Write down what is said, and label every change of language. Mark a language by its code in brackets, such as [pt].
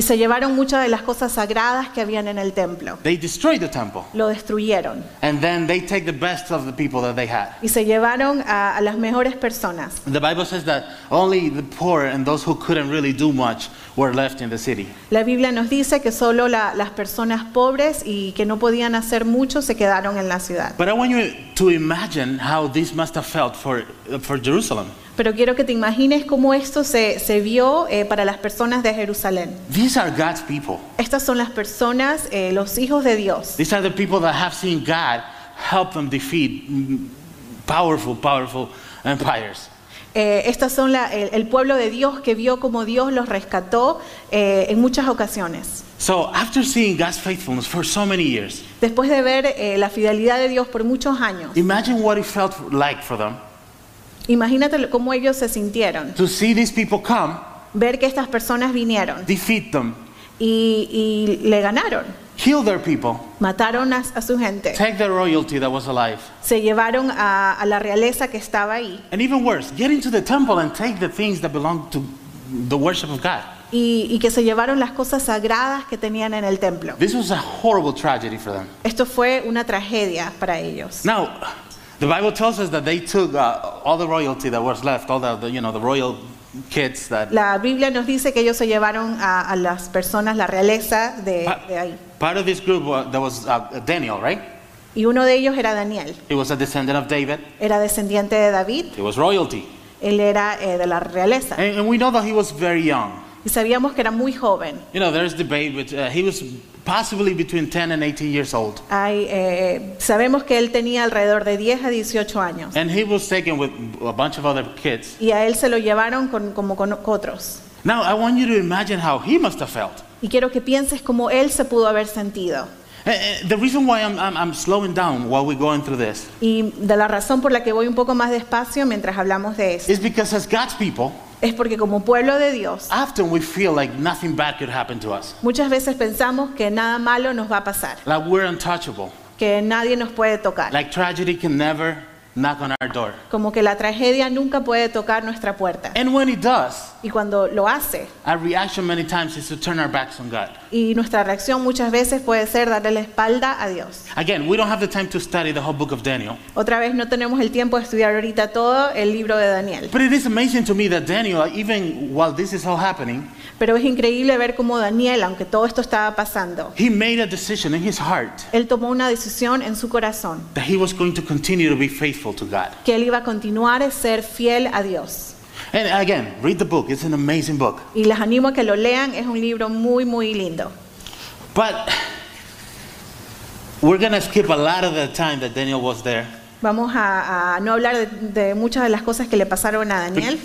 [es] Y se llevaron muchas de las cosas sagradas que habían en el templo. [en] They destroyed the temple. [es] Lo destruyeron. [en] And then they take the best of the people that they had. [es] Y se llevaron a las mejores personas. [en] The Bible says that only the poor and those who couldn't really do much were left in the city. [es] La Biblia nos dice que solo las personas pobres y que no podían hacer mucho se quedaron en la ciudad. [en] But I want you to imagine how this must have felt for Jerusalem. [es] Pero quiero que te imagines cómo esto se vio para las personas de Jerusalén. [en] These are God's people. [es] Estas son las personas, los hijos de Dios. [en] These are the people that have seen God help them defeat powerful, powerful empires. [es] Estas son el pueblo de Dios que vio cómo Dios los rescató en muchas ocasiones. [en] So after seeing God's faithfulness for so many years. [es] Después de ver la fidelidad de Dios por muchos años. [en] Imagine what it felt like for them. [es] Imagínate cómo ellos se sintieron. [en] To see these people come, [es] ver que estas personas vinieron. [en] Defeat them. [es] Y le ganaron. [en] Kill their people. [es] Mataron a su gente. [en] Take their royalty that was alive. [es] Se llevaron a la realeza que estaba ahí. [en] And even worse, get into the temple and take the things that belong to the worship of God. [es] Y que se llevaron las cosas sagradas que tenían en el templo. [en] This was a horrible tragedy for them. [es] Esto fue una tragedia para ellos. [en] Now, The Bible tells us that they took all the royalty that was left, all the you know, the royal kids that. [es] La Biblia nos dice que ellos se llevaron a las personas, la realeza de ahí. [en] Part of this group there was Daniel, right? [es] Y uno de ellos era Daniel. [en] He was a descendant of David. [es] Era descendiente de David. [en] He was royalty. [es] Él era de la realeza. [en] And we know that he was very young. [es] Y sabíamos que era muy joven. [en] You know, there's debate, but he was possibly between 10 and 18 years old. [es] Hay, sabemos que él tenía alrededor de 10 a 18 años. [en] And he was taken with a bunch of other kids. [es] Y a él se lo llevaron con, como con otros. [en] Now, I want you to imagine how he must have felt. [es] Y quiero que pienses cómo él se pudo haber sentido. [en] The reason why I'm slowing down while we're going through this. [es] Y de la razón por la que voy un poco más despacio mientras hablamos de esto. [en] Is because as God's people. [es] Es porque como pueblo de Dios. [en] Often we feel like nothing bad could happen to us. [es] Muchas veces pensamos que nada malo nos va a pasar. [en] Like we're untouchable. [es] Que nadie nos puede tocar. [en] Like tragedy can never knock on our door. [es] Como que la tragedia nunca puede tocar nuestra puerta. [en] And when it does, [es] y cuando lo hace, [en] our reaction many times is to turn our backs on God. [es] Y nuestra reacción muchas veces puede ser darle la espalda a Dios. [en] Again, we don't have the time to study the whole book of Daniel. [es] Otra vez no tenemos el tiempo de estudiar ahorita todo el libro de Daniel. [en] But it is amazing to me that Daniel, even while this is all happening, [es] pero es increíble ver cómo Daniel, aunque todo esto estaba pasando, [en] he made a decision in his heart. [es] Él tomó una decisión en su corazón. [en] That he was going to continue to be faithful to God. [es] Que él iba a continuar a ser fiel a Dios. [en] And again, read the book. It's an amazing book. [es] Y les animo a que lo lean. Es un libro muy, muy lindo. [en] But we're going to skip a lot of the time that Daniel was there. [es] Vamos a no hablar de muchas de las cosas que le pasaron a Daniel.